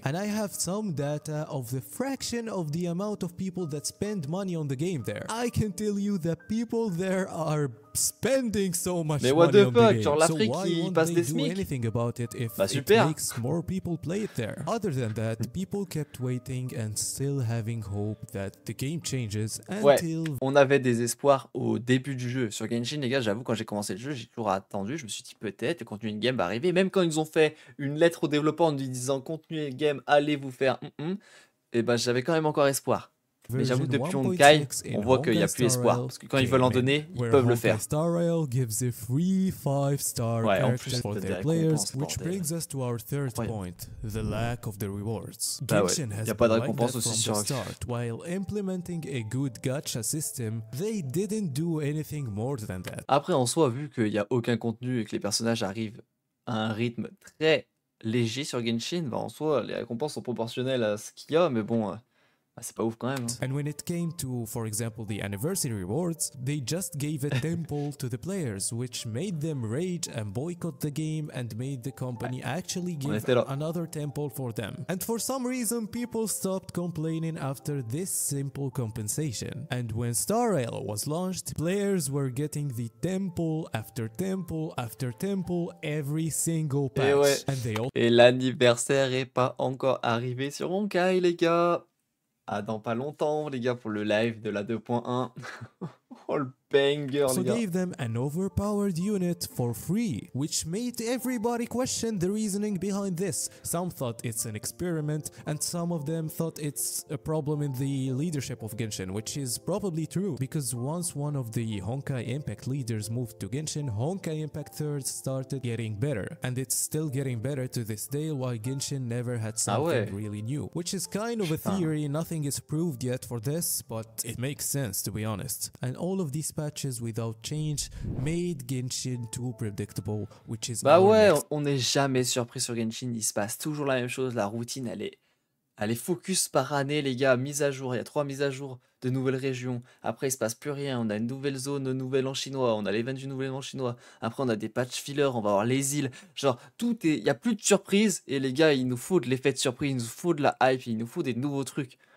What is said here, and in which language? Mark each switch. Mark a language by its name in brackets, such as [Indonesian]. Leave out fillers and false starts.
[English] And I have some data of the fraction of the amount of people that spend money on the game there. I can tell you that people there are spending so much money on the game. [French] Mais [English] what the fuck, [French] genre l'Afrique, ils passent des SMIC. [English] Do anything about it if it makes more people play it there. Other than that, people kept waiting and still having hope that the game changes until... [French] Ouais, on avait des espoirs au début du jeu. Sur Genshin, les gars, j'avoue, quand j'ai commencé le jeu, j'ai toujours attendu. Je me suis dit, peut-être, le contenu in game va arriver. Même quand ils ont fait une lettre aux développeurs en lui disant, contenu in game, allez vous faire... Et ben j'avais quand même encore espoir. Mais j'avoue, depuis Honkai, on voit qu'il n'y a plus espoir. Parce que quand ils veulent en donner, ils peuvent le faire. [English] Honkaistarrail gives a free 5-star character for their players, which brings us to our third point, the lack of the rewards. Genshin has been like that from the start. While implementing a good gacha system, they didn't do anything more than that. [French] Après, en soi, vu qu'il n'y a aucun contenu et que les personnages arrivent à un rythme très léger sur Genshin, bah en soi, les récompenses sont proportionnelles à ce qu'il y a, mais bon, bah c'est pas ouf quand même. Hein. [English] And when it came to, for example, the anniversary rewards, they just gave a temple to the players, which made them rage and boycott the game and made the company actually give another temple for them. And for some reason, people stopped complaining after this simple compensation. And when Starrail was launched, players were getting the temple after temple after temple every single patch. [French] Et, [English] and they all... [French] Et l'anniversaire est pas encore arrivé sur Honkai, les gars. Ah, dans pas longtemps, les gars, pour le live de la 2.1. Oh, le banger, les gars. [English] So gave them an overpowered unit for free, which made everybody question the reasoning behind this. Some thought it's an experiment, and some of them thought it's a problem in the leadership of Genshin, which is probably true, because once one of the Honkai Impact leaders moved to Genshin, Honkai Impact 3rd started getting better, and it's still getting better to this day, while Genshin never had something really new. Which is kind of a theory, nothing is proved yet for this, but it makes sense, to be honest. And all of these patches without change made Genshin too predictable, which is [French] on n'est jamais surpris sur Genshin, il se passe toujours la même chose, la routine elle est focus par année, les gars, mise à jour, il y a 3 mises à jour de nouvelles régions, après il se passe plus rien, on a une nouvelle zone, un nouvel en chinois, on a l'event du nouvel en chinois, après on a des patchs filler, on va avoir les îles, genre tout est, il n'y a plus de surprise, et les gars, il nous faut de l'effet de surprise, il nous faut de la hype, il nous faut des nouveaux trucs.